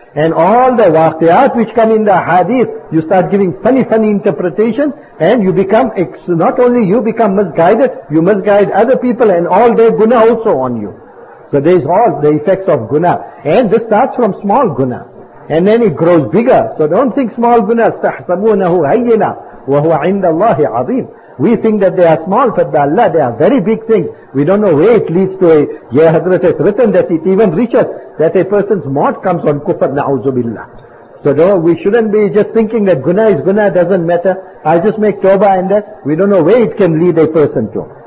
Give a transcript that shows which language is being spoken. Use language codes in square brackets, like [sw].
[en] And all the waqiyat which come in the hadith, you start giving funny interpretations, and you become, not only you become misguided, you misguide other people, and all their guna also on you. So there is all the effects of guna. And this starts from small guna. And then it grows bigger. So don't think small guna. [ar] استحسبونه هينا وهو عند الله عظيم. [en] We think that they are small, but by Allah, they are very big things. We don't know where it leads to. Ya Hazrat has written that it even reaches that a person's mort comes on kufr, na'uzu billah. So no, we shouldn't be just thinking that guna is guna, doesn't matter. I'll just make tawbah and that. We don't know where it can lead a person to.